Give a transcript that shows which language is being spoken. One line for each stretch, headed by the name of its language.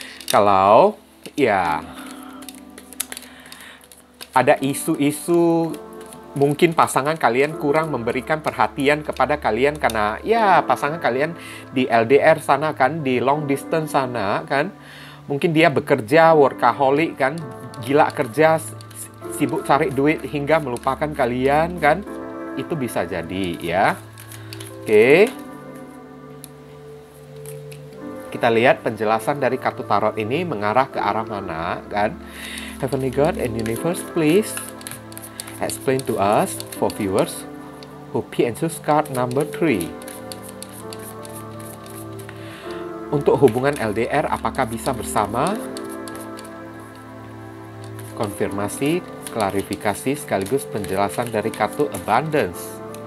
Indonesian: Kalau, ya, ada isu-isu mungkin pasangan kalian kurang memberikan perhatian kepada kalian karena ya pasangan kalian di LDR sana kan, di long distance sana kan, mungkin dia bekerja workaholic kan, gila kerja, sibuk cari duit hingga melupakan kalian kan, itu bisa jadi ya. Oke, kita lihat penjelasan dari kartu tarot ini mengarah ke arah mana kan.
English: Heavenly God and Universe, please explain to us, for viewers, who pick and choose card number 3.
Indonesian: Untuk hubungan LDR, apakah bisa bersama? Konfirmasi, klarifikasi, sekaligus penjelasan dari kartu Abundance.